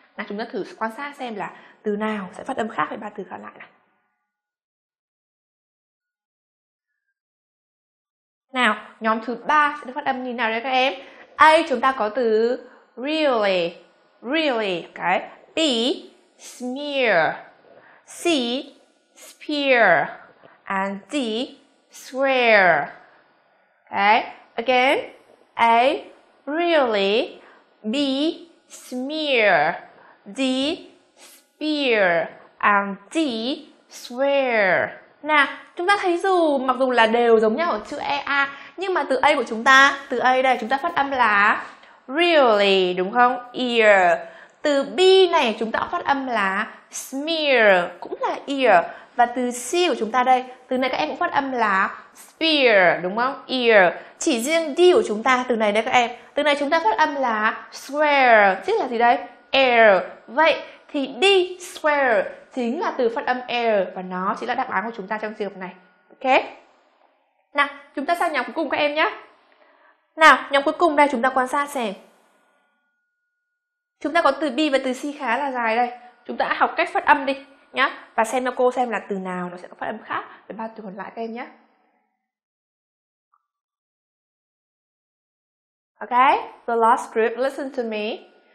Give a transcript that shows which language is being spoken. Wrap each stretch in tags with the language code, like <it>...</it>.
<vi>Nào, chúng ta thử quan sát xem là từ nào sẽ phát âm khác với ba từ còn lại nào. Nào, nhóm thứ ba sẽ được phát âm như nào đây các em? A chúng ta có từ really, really, okay.</vi> <en>B smear, C spear, and D swear. Okay, again, A really, B smear, D spear, and D swear.</en> <vi>Nào, chúng ta thấy dù mặc dù là đều giống nhau ở chữ EA, nhưng mà từ A của chúng ta, từ A đây chúng ta phát âm là really, đúng không? Ear. Từ B này chúng ta phát âm là smear, cũng là ear. Và từ C của chúng ta đây, từ này các em cũng phát âm là spear, đúng không? Ear. Chỉ riêng D của chúng ta, từ này đây các em, từ này chúng ta phát âm là swear, tức là gì đây? Air. Vậy thì D swear chính là từ phát âm air và nó chính là đáp án của chúng ta trong trường hợp này. Ok. Nào, chúng ta sang nhóm cuối cùng các em nhé. Nào, nhóm cuối cùng đây chúng ta quan sát xem. Chúng ta có từ B và từ C khá là dài đây. Chúng ta học cách phát âm đi nhá. Và xem cho cô xem là từ nào nó sẽ có phát âm khác với ba từ còn lại các em nhé.</vi> <en>Ok, the last group, listen to me.</en>